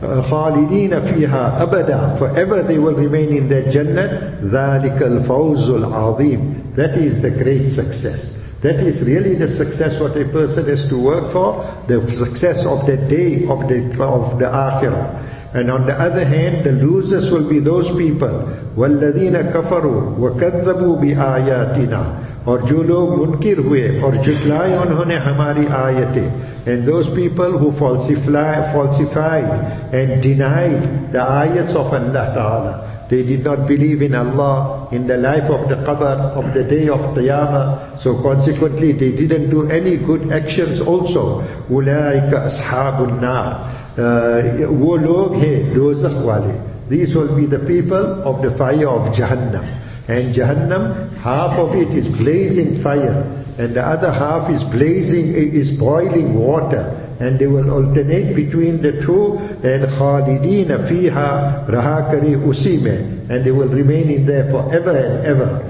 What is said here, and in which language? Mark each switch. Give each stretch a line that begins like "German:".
Arabic: خالدین فیہا ابدا,
English: forever they will remain in their Jannah.
Arabic: ذالک الفوز العظیم,
English: that is the great success. That is really the success what a person has to work for, the success of the day of the Akhirah. And on the other hand, the losers will be those people,
Arabic: وَالَّذِينَ كَفَرُوا وَكَذَّبُوا بِآيَاتِنَا,
Urdu: اور جو لوگ منکر ہوئے اور جھٹلائے انہوں نے ہماری آیتیں.
English: And those people who falsified and denied the ayats of Allah Ta'ala. They did not believe in Allah, in the life of the Qabr, of the day of Qiyamah. So consequently, they didn't do any good actions also.
Arabic: أُولَٰئِكَ أَصْحَابُ النَّارِ,
Urdu: وہ لوگ ہیں دوزخ والے.
English: These will be the people of the fire of Jahannam. And Jahannam, half of it is blazing fire, and the other half is blazing, is boiling water. And they will alternate between the two. And
Arabic: خالدین فیہا
Urdu: رہا کرے اسی میں,
English: and they will remain in there forever and ever.